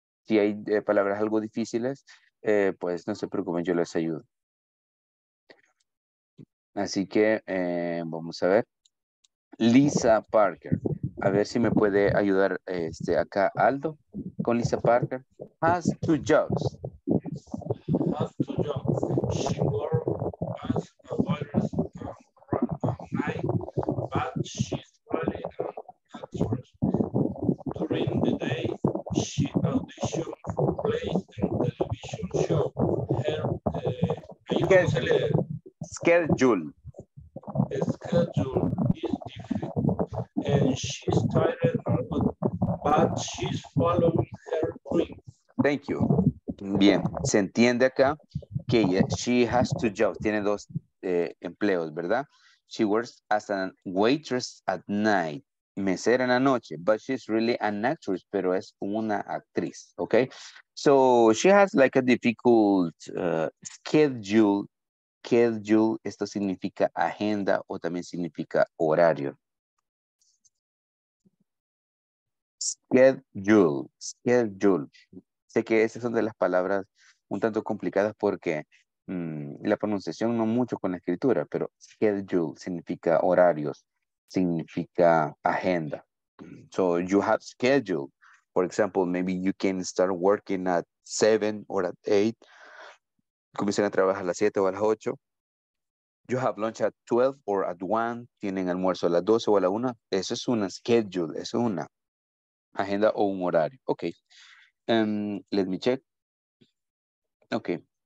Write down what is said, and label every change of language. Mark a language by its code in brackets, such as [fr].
[es] Si hay palabras algo difíciles, pues no se preocupen, yo les ayudo. Así que vamos a ver. Lisa Parker. A ver si me puede ayudar acá Aldo con Lisa Parker. [en] Has two jobs. Has two jobs. She works as a waitress at night, but she's really at work. During the day, she auditions for plays and television show. Her schedule is difficult. And she's tired, but she's following her dreams. Thank you. [es] Bien, se entiende acá que [en] she has two jobs, [es] tiene dos empleos, ¿verdad? [en] She works as a waitress at night, [es] mesera en la noche, [en] but she's really an actress, [es] pero es una actriz, [en] ¿ok? So she has like a difficult schedule, [es] esto significa agenda o también significa horario. [en] Schedule. [es] Sé que esas son de las palabras un tanto complicadas porque la pronunciación no mucho con la escritura, pero schedule significa horarios, significa agenda. [en] So you have schedule. For example, maybe you can start working at 7 or at 8. [es] Comienzan a trabajar a las 7 o a las 8. [en] You have lunch at 12 or at 1. [es] Tienen almuerzo a las 12 o a la 1. Eso es una schedule, eso es una agenda o un horario. Ok. [en] Let me check. Okay.